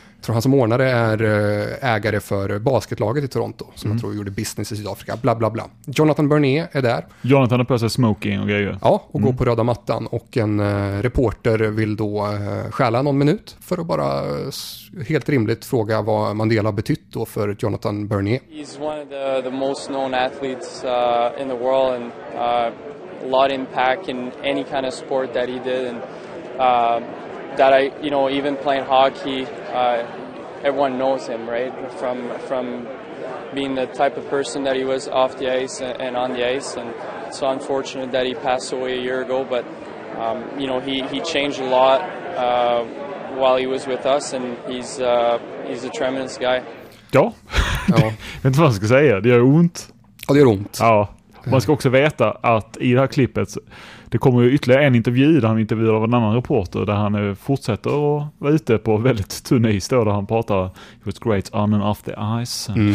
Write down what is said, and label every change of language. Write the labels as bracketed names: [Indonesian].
[Swedish] Jag tror han som ordnare är ägare för basketlaget i Toronto, som jag tror gjorde business i Sydafrika, bla bla bla. Jonathan Bernier är där. Jonathan har på sig smoking och grejer. Ja, och går på röda mattan och en reporter vill då stjäla någon minut för att bara helt rimligt fråga vad Mandela har betytt då för Jonathan Bernier. [English] He's one of the most known athletes in the world and a lot impact in any kind of sport that he did and that I, you know, even playing hockey, everyone knows him, right? From being the type of person that he was off the ice and on the ice. And it's unfortunate that he passed away a year ago, but, you know, he changed a lot while he was with us, and he's a tremendous guy. [Swedish] Ja, jag vet inte vad jag ska säga. Det gör ont. Ja, det gör ont. Ja, Man ska också veta att i det här klippet det kommer ju ytterligare en intervju där han intervjuar av en annan reporter där han fortsätter att vara ute på väldigt tunn is då, där han pratar [English] "It was great on and off the ice".